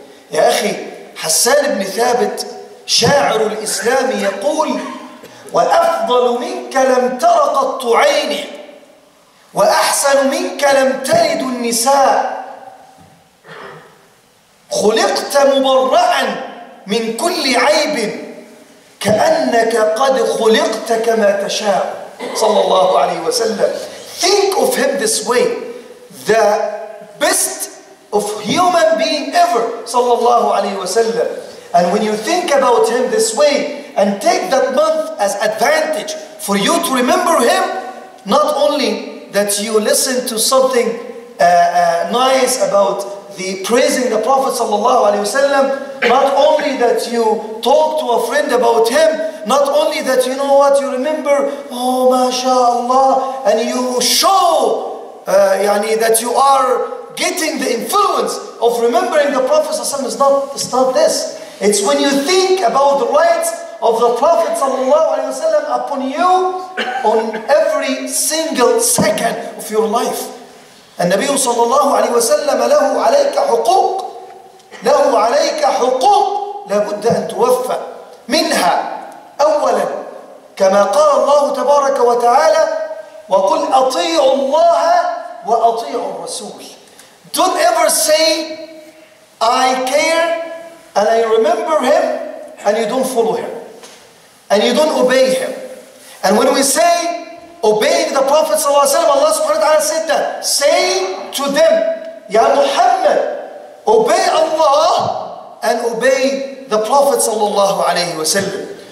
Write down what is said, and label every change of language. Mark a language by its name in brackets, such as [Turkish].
[Arabic] يا أخي حسان بن ثابت شاعر الإسلام يقول: وأفضل منك لم تر قط عيني وأحسن منك لم تلد النساء, خلقت مبرأا من كل عيب كأنك قد خلقت كما تشاء صلى الله عليه وسلم. [English] Think of him this way, the best of human being ever صلى الله عليه وسلم. And when you think about him this way and take that month as advantage, message for you to remember him, not only that you listen to something nice about the praising the Prophet sallallahu alaihi wasallam, not only that you talk to a friend about him, not only that, you know what, you remember, oh mashallah, and you show yani that you are getting the influence of remembering the Prophet sallallahu alaihi wasallam. It's not this. It's when you think about the rights of the Prophet sallallahu alaihi wasallam upon you on every single second of your life. [Arabic] النبي صلى الله عليه وسلم له عليك حقوق له عليك حقوق لابد أن توفى منها. أولا كما قال الله تبارك وتعالى وقل أطيعوا الله وأطيعوا الرسول. [English] Don't ever say I care and I remember him and you don't follow him and you don't obey him. And when we say obeying the Prophet صلى الله عليه وسلم, Allah subhanahu wa ta'ala said that, say to them, Ya Muhammad, obey Allah and obey the Prophet صلى الله عليه وسلم.